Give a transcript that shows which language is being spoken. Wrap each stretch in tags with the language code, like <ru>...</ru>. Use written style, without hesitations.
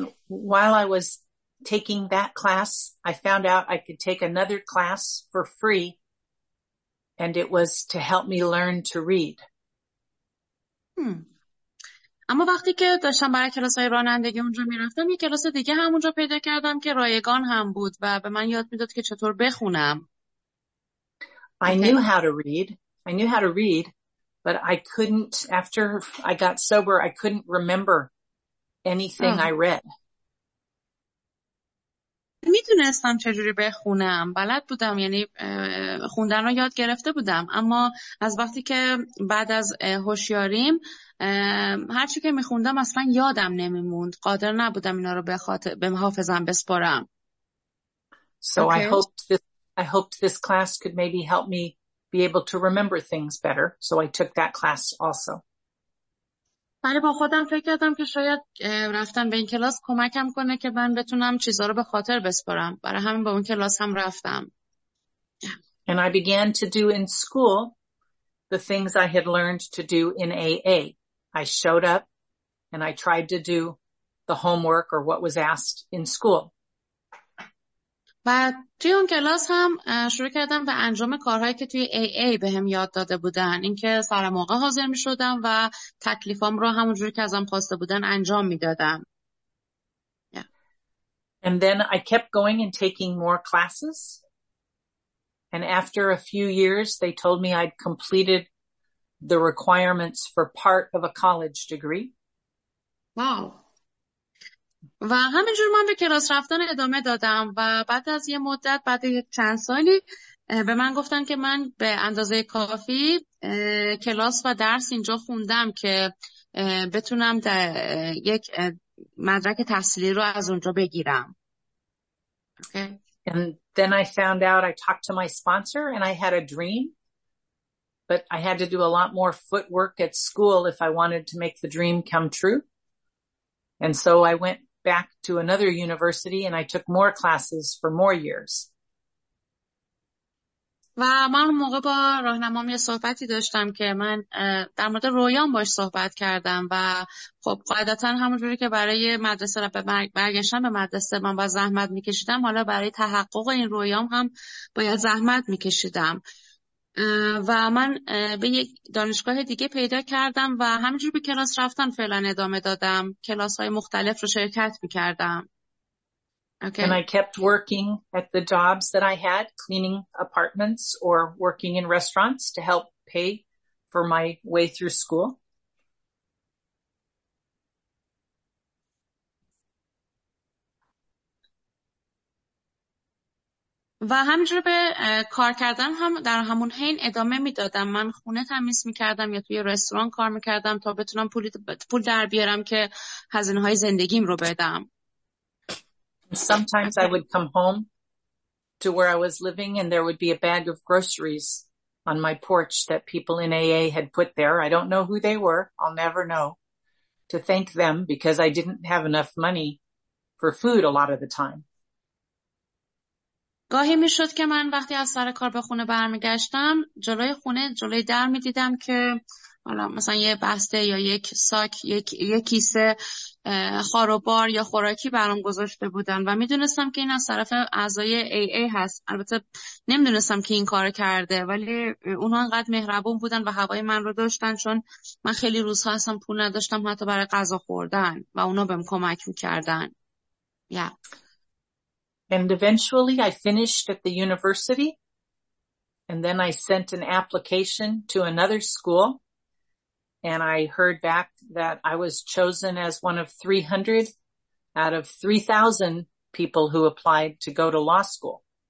<en>While I was taking that class, I found out I could take another class for free, and it was to help me learn to read.</en> <fa>اما وقتی که داشتم برای کلاس‌های رانندگی اونجا می‌رفتم، یه کلاس دیگه هم اونجا پیدا کردم که رایگان هم بود و به من یاد می‌داد که چطور بخونم.</fa> <en>I knew how to read, but I couldn't, after I got sober, I couldn't remember anything I read.</en> <fa>میدونستم چجوری بخونم بلد بودم یعنی خوندن رو یاد گرفته بودم اما از وقتی که بعد از هوشیاریم هرچی که میخوندم اصلا یادم نمیموند قادر نبودم اینا رو به حافظم بسپارم</fa> <en>So okay. I hoped this class could maybe help me be able to remember things better so I took that class also.</en> <fa>بله با خودم فکر کردم که شاید رفتن به این کلاس کمکم کنه که من بتونم چیزها رو به خاطر بسپارم. برای همین به اون کلاس هم رفتم.</fa> <en>And I began to do in school the things I had learned to do in AA. I showed up and I tried to do the homework or what was asked in school.</en> <fa>و توی اون کلاس هم شروع کردم به انجام کارهایی که توی AA به هم یاد داده بودن. اینکه سر موقع حاضر می شدم و تکلیفام رو همون جوری که ازم خواسته بودن انجام می دادم.</fa> <en>And then I kept going and taking more classes. And after a few years, they told me I'd completed the requirements for part of a college degree. Wow.</en> <fa>و همینجور من به کلاس رفتن ادامه دادم و بعد از یه مدت بعد چند سالی به من گفتن که من به اندازه کافی کلاس و درس اینجا خوندم که بتونم یک مدرک تحصیلی رو از اونجا بگیرم.</fa> <en>Okay. And then I found out I talked to my sponsor and I had a dream, but I had to do a lot more footwork at school if I wanted to make the dream come true. And so I went back to another university and I took more classes for more years.</en> <fa>و من موقع با راهنمام یه صحبتی داشتم که من در مورد رویام باش صحبت کردم و خب قاعدتا همونجوری که برای مدرسه رو برگشتم به مدرسه من با زحمت میکشیدم حالا برای تحقق این رویام هم باید زحمت میکشیدم. و من به یک دانشگاه دیگه پیدا کردم و همینجور به کلاس رفتن فعلا ادامه دادم. کلاس های مختلف رو شرکت می کردم.</fa> <en>Okay. And I kept working at the jobs that I had, cleaning apartments or working in restaurants to help pay for my way through school.</en> <fa>و همینجور به کار کردن هم در همون حین ادامه میدادم. من خونه تمیز میکردم یا توی رستوران کار میکردم تا بتونم پول در بیارم که هزینه های زندگیم رو بدم.</fa> <en>Sometimes I would come home to where I was living and there would be a bag of groceries on my porch that people in AA had put there. I don't know who they were. I'll never know. To thank them because I didn't have enough money for food a lot of the time.</en> <fa>گاهی می شد که من وقتی از سر کار به خونه برمیگشتم جلوی خونه جلوی در می دیدم که حالا مثلا یه بسته یا یک ساک یک کیسه خاروبار یا خوراکی برام گذاشته بودن و می دونستم که این از طرف اعضای AA هست. البته نمی دونستم که این کار کرده ولی اونها انقدر مهربون بودن و هوای من رو داشتن چون من خیلی روزها اصلا پول نداشتم حتی برای غذا خوردن و اونا بهم کمک می کردن.</fa> <en>Yeah. And eventually I finished at the university and then I sent an application to another school and I heard back that I was chosen as one of 300 out of 3,000 people who applied to go to law school.</en>